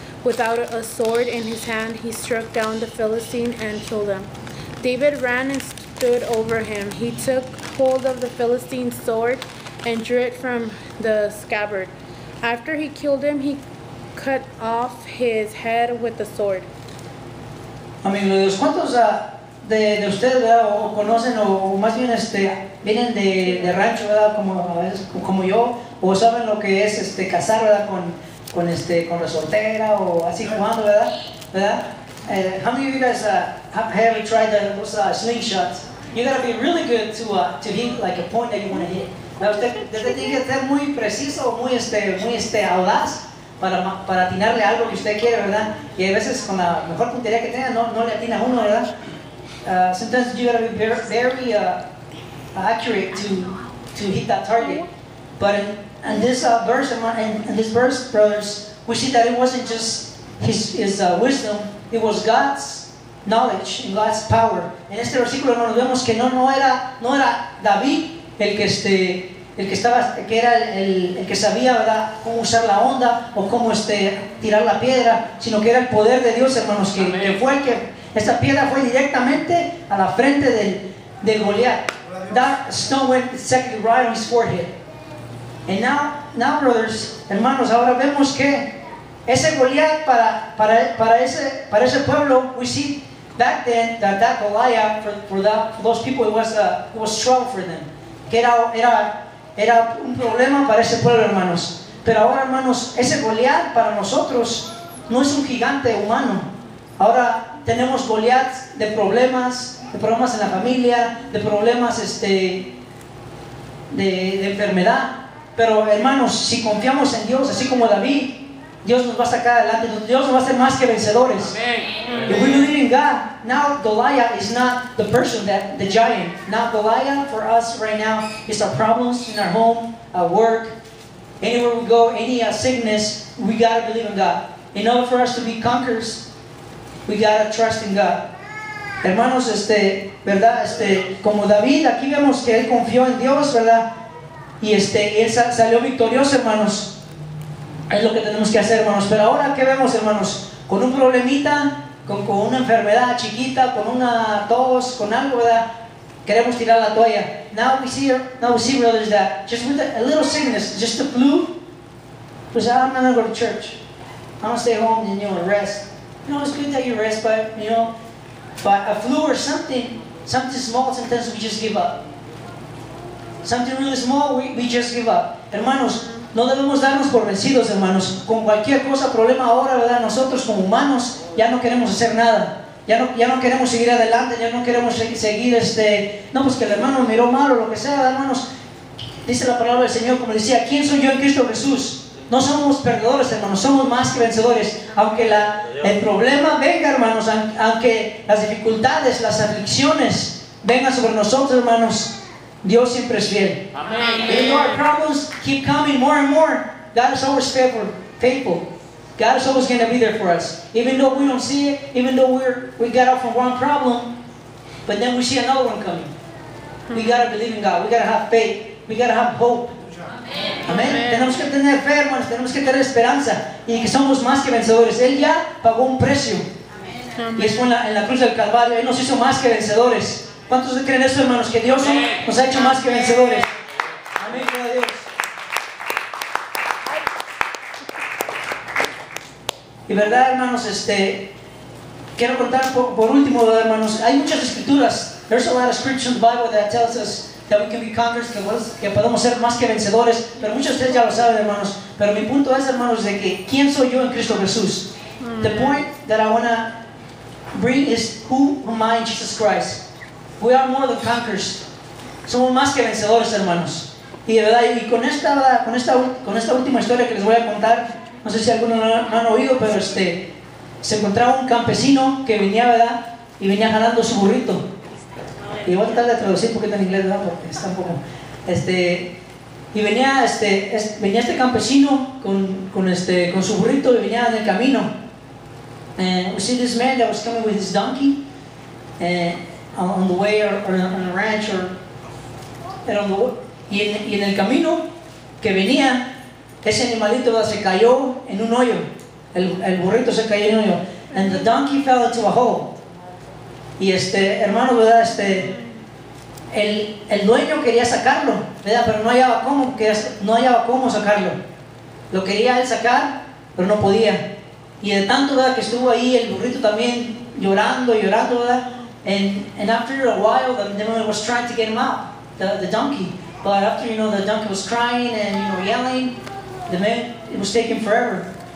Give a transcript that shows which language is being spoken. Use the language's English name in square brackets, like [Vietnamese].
[English] Without a sword in his hand, he struck down the Philistine and killed him. David ran and stood over him. He took hold of the Philistine's sword and drew it from the scabbard. After he killed him, he cut off his head with the sword. [Spanish] Amigos, ¿cuántos de ustedes conocen o más bien vienen de rancho, ¿verdad? Como yo, o saben lo que es cazar, ¿verdad? Con la soltera o así jugando, ¿verdad? ¿Verdad? [English] How many of you guys have ever tried those slingshots? You gotta be really good to hit like a point that you want to hit. [Spanish] Usted tiene que ser muy preciso, muy audaz para atinarle algo que usted quiere, ¿verdad? Y a veces con la mejor puntería que tenga no le atina uno, ¿verdad? [English] Sometimes you gotta be very accurate to hit that target. But in this verse, brothers, we see that it wasn't just his wisdom; it was God's knowledge and God's power. [Spanish] En este versículo nos vemos que no era David el que sabía, ¿verdad?, cómo usar la onda o cómo tirar la piedra, sino que era el poder de Dios, hermanos, que fue el que esta piedra fue directamente a la frente del Goliat. [English] That stone went exactly right on his forehead. And now, brothers, [Spanish] hermanos, ahora vemos que ese Goliat para ese pueblo, [English] we see back then that Goliat for those people it was strong for them. [Spanish] Que era un problema para ese pueblo, hermanos. Pero ahora, hermanos, ese Goliat para nosotros no es un gigante humano. Ahora tenemos Goliat de problemas en la familia, de problemas de enfermedad. Pero hermanos, si confiamos en Dios, así como David, Dios nos va a sacar adelante. Dios nos va a hacer más que vencedores. Amen. [English] If we believe in God, now Goliat is not the person that the giant. Now Goliat for us right now is our problems in our home, our work, anywhere we go, any sickness. We gotta believe in God. In order for us to be conquerors, we gotta trust in God. [Spanish] Hermanos, verdad, como David, aquí vemos que él confió en Dios, verdad. Y él salió victorioso, hermanos. Es lo que tenemos que hacer, hermanos. Pero ahora, ¿qué vemos, hermanos? Con un problemita, con una enfermedad chiquita, con una tos, con algo, ¿verdad? Queremos tirar la toalla. [English] Now we see, brothers, that just with a little sickness, just the flu, pues, I'm not going to go to church. I'm going to stay home and, rest. It's good that you rest, but a flu or something small, sometimes we just give up. Something really small, we just give up. [Spanish] Hermanos, no debemos darnos por vencidos, hermanos. Con cualquier cosa, problema ahora, ¿verdad? Nosotros como humanos ya no queremos hacer nada. Ya no queremos seguir adelante, ya no queremos seguir No, pues que el hermano me miró mal o lo que sea, hermanos. Dice la palabra del Señor, como decía, ¿quién soy yo en Cristo Jesús? No somos perdedores, hermanos, somos más que vencedores. Aunque el problema venga, hermanos, aunque las dificultades, las aflicciones vengan sobre nosotros, hermanos, Dios siempre es fiel. Amen. [English] Even though our problems keep coming more and more, God is always faithful. God is always going to be there for us. Even though we don't see it, even though we get off from one problem, but then we see another one coming. Hmm. We got to believe in God. We got to have faith. We got to have hope. Amen. [Spanish] Amen. Tenemos que tener fe, hermanos. Tenemos que tener esperanza. Y que somos más que vencedores. Él ya pagó un precio. Amen. Y es en la cruz del Calvario. Él nos hizo más que vencedores. ¿Cuántos creen eso, hermanos? Que Dios nos ha hecho más que vencedores. Amén, gloria a Dios. Y verdad, hermanos, quiero contar por último, hermanos, hay muchas escrituras. [English] There's a lot of scripture in the Bible that tells us that we can be conquerors, [Spanish] que podemos ser más que vencedores. Pero muchos de ustedes ya lo saben, hermanos. Pero mi punto es, hermanos, de que ¿quién soy yo en Cristo Jesús? [English] The point that I want to bring is who am I in Jesus Christ? We are more than conquerors. [Spanish] Somos más que vencedores, hermanos. Y de verdad, y con esta última historia que les voy a contar, no sé si algunos no han oído, pero se encontraba un campesino que venía, ¿verdad? Y venía jalando su burrito. Y voy a tratar de traducir un poquito en inglés, ¿verdad? Porque está un poco. Y venía este campesino con su burrito y venía en el camino. [English] And we see this man that was coming with his donkey. On the way, or on a ranch, or and on the way, [Spanish] y en el camino, que venía, ese animalito se cayó en un hoyo. El burrito se cayó en un hoyo. [English] And the donkey fell into a hole. [Spanish] Y hermano, ¿verdad? El dueño quería sacarlo, ¿verdad? Pero no hallaba cómo sacarlo. Lo quería él sacar, pero no podía. Y de tanto, ¿verdad?, que estuvo ahí el burrito también llorando, ¿verdad? [English] And after a while, the man was trying to get him out, the donkey. But after, you know, the donkey was crying and, you know, yelling, the man, it was taking forever.